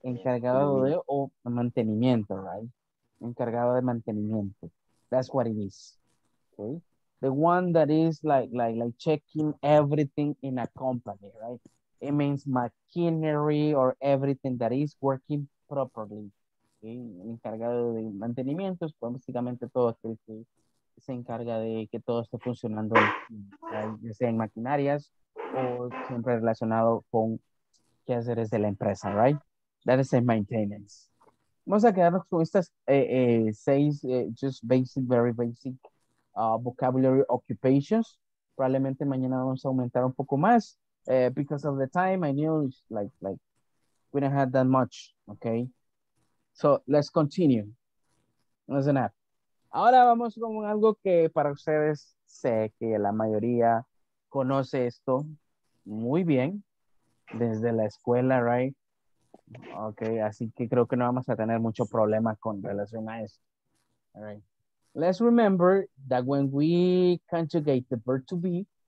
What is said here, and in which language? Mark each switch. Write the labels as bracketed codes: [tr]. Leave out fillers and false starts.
[es] Encargado de o mantenimiento, right? Encargado de mantenimiento. [en] That's what it is. [es] Okay. [en] The one that is like checking everything in a company, right? It means machinery or everything that is working properly. Okay? [es] Encargado de mantenimiento, pues básicamente todo aquel que se encarga de que todo esté funcionando, ya sea en maquinarias o siempre relacionado con quehaceres de la empresa, right? [en] That is a maintenance. [es] Vamos a quedarnos con estas seis, [en] just basic, very basic. Vocabulary occupations. [es] Probablemente mañana vamos a aumentar un poco más. [en] Because of the time, I knew it's like we don't have that much. Okay. So let's continue. Listen up. [es] Ahora vamos con algo que para ustedes sé que la mayoría conoce esto muy bien desde la escuela, right? Okay. Así que creo que no vamos a tener mucho problema con relación a esto. [en] All right. Let's remember that when we conjugate the verb to be,